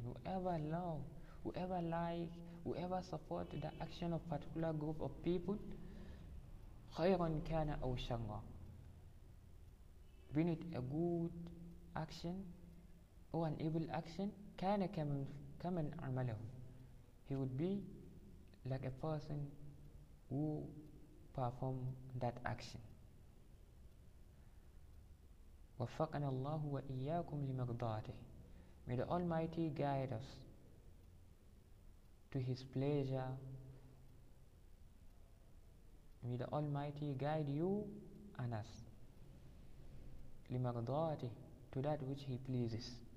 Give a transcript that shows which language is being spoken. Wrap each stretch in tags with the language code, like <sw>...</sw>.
<en>Whoever love, whoever like, whoever support the action of particular group of people,</en> <ar>khayran kana aw sharra,</ar> <en>be it a good action or an evil action,</en> <ar>kana kaman amalahu,</ar> <en>he would be like a person who perform that action.</en> <ar>وفقنا الله وإياكم لمرضاته.</ar> <en>May the Almighty guide us to His pleasure. May the Almighty guide you and us لمرضاته, to that which He pleases.</en>